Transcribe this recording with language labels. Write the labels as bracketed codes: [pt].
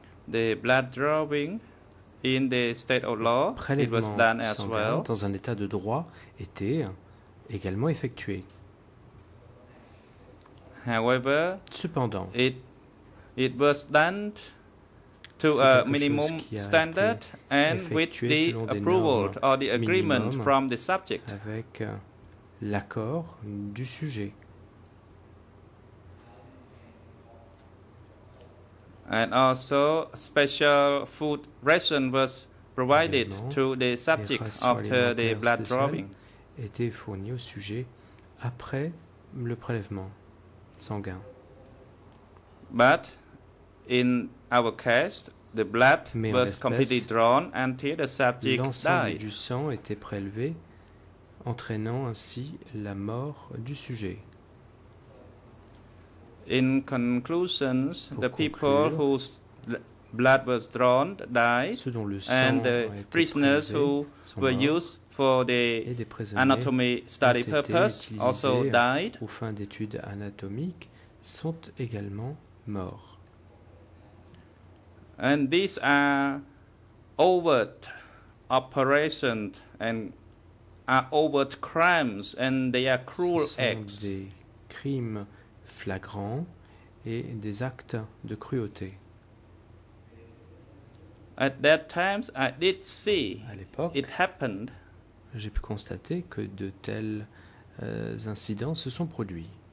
[en] The blood drawing in the state of law, it was done as well. [fr] Dans un état de droit, était également effectué. [en] However, [fr] cependant, [en] It was done to a minimum standard and which they approved or the agreement from the subject. [fr] Avec l'accord du sujet. [en] And also special food ration was provided to the subject after the blood drawing. [fr] Était fourni au sujet après le prélèvement sanguin. [en] But in our case, the blood was completely drawn until the subject died. [fr] L'ensemble du sang était prélevé, entraînant ainsi la mort du sujet. [en] In conclusion, the people whose blood was drawn died, and the prisoners who were used for the anatomy study purpose also died. [fr] Aux fins d'études anatomiques sont également morts. [en] And these are overt operations and are overt crimes, and they are cruel acts. [fr] Ce sont des crimes flagrants et des actes de cruauté. [en] At that time, I did see it happened. [fr] J'ai pu constater que de tels incidents se sont produits.